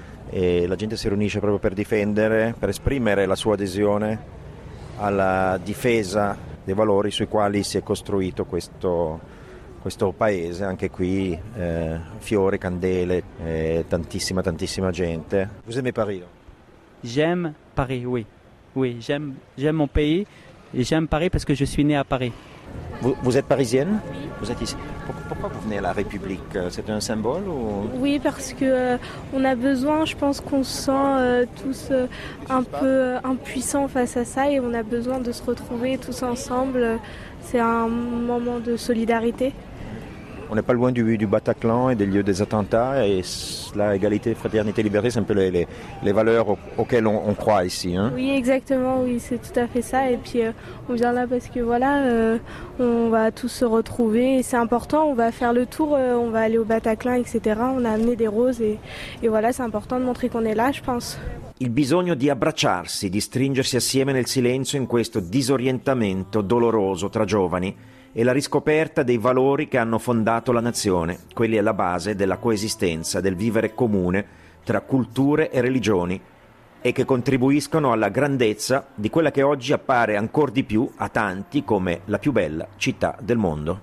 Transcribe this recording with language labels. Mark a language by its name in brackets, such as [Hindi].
[Italian] E la gente si riunisce proprio per difendere, per esprimere la sua adesione alla difesa dei valori sui quali si è costruito questo paese, anche qui fiori, candele, tantissima gente. [French] Vous aimez Paris? J'aime Paris, oui. Oui, j'aime mon pays et j'aime Paris parce que je suis né à Paris. Vous êtes parisienne? Oui. Vous êtes ici. Pourquoi vous venez à la République? C'est un symbole ou... Oui, parce que on a besoin, je pense qu'on se sent tous un peu impuissants face à ça et on a besoin de se retrouver tous ensemble. C'est un moment de solidarité. On n'est pas loin du Bataclan et des lieux des attentats et la égalité, fraternité, liberté, c'est un peu les valeurs auxquelles on croit ici. Hein. Oui, exactement, oui, c'est tout à fait ça. Et puis on vient là parce que voilà, on va tous se retrouver et c'est important, on va faire le tour, on va aller au Bataclan, etc. On a amené des roses et voilà, c'est important de montrer qu'on est là, je pense. [Italian] Il bisogno di abbracciarsi, di stringersi assieme nel silenzio in questo disorientamento doloroso tra giovani e la riscoperta dei valori che hanno fondato la nazione, quelli alla base della coesistenza, del vivere comune tra culture e religioni e che contribuiscono alla grandezza di quella che oggi appare ancor di più a tanti come la più bella città del mondo.